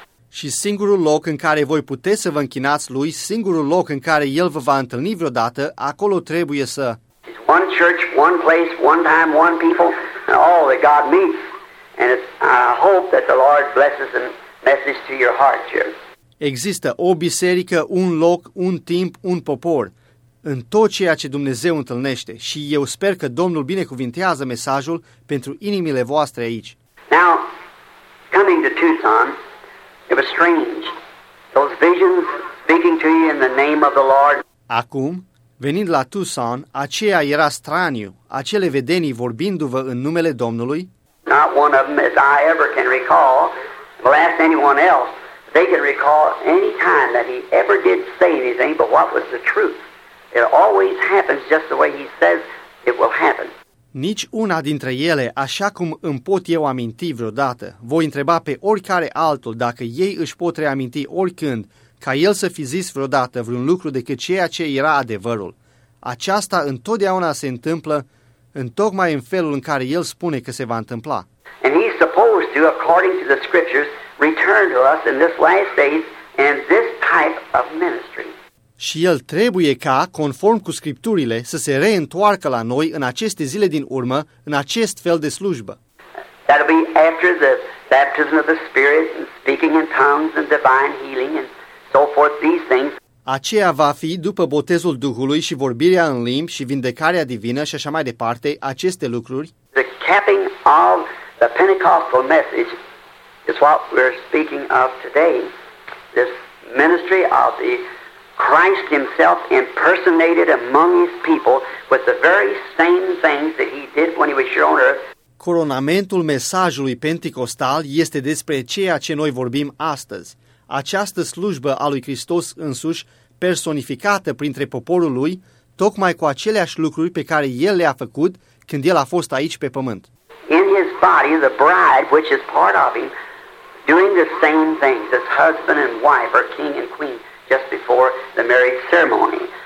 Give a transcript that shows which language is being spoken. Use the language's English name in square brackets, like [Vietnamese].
[Romanian] Și singurul loc în care voi puteți să vă închinați Lui, singurul loc în care El vă va întâlni vreodată, acolo trebuie să... [English] One church, one place, one time, one people, and all that God meets. And I hope that the Lord blesses and message to your heart here. [Romanian] Există o biserică, un loc, un timp, un popor, în tot ceea ce Dumnezeu întâlnește. Și eu sper că Domnul binecuvintează mesajul pentru inimile voastre aici. [English] Now, coming to Tucson, it was strange. Those visions speaking to you in the name of the Lord. [Romanian] Acum, venind la Tucson, aceea era straniu, acele vedenii vorbindu-vă în numele Domnului. [English] Not one of them, as I ever can recall, will ask anyone else. They can recall any time that he ever did say anything, but what was the truth? It always happens just the way he says it will happen. [Romanian] Nici una dintre ele, așa cum îmi pot eu aminti vreodată, voi întreba pe oricare altul dacă ei își pot reaminti oricând, ca el să fi zis vreodată vreun lucru decât ceea ce era adevărul. Aceasta întotdeauna se întâmplă în tocmai în felul în care el spune că se va întâmpla. [English] And he's supposed to, according to the scriptures, return to us in this last days and this type of ministry. [Romanian] Și el trebuie ca, conform cu scripturile, să se reîntoarcă la noi în aceste zile din urmă, în acest fel de slujbă. [English] That'll be after the baptism of the Spirit and speaking in tongues and divine healing and so forth, these things. [Romanian] Aceea va fi după botezul Duhului și vorbirea în limbi și vindecarea divină și așa mai departe, aceste lucruri. [English] The capping of the Pentecostal message is what we're speaking of today. This ministry of the Christ himself impersonated among his people with the very same things that he did when he was here on earth. [Romanian] Coronamentul mesajului pentecostal este despre ceea ce noi vorbim astăzi. Această slujbă a lui Hristos însuși, personificată printre poporul lui, tocmai cu aceleași lucruri pe care el le-a făcut când el a fost aici pe pământ. [English] In his body, the bride, which is part of him, doing the same things as husband and wife or king and queen just before the marriage ceremony.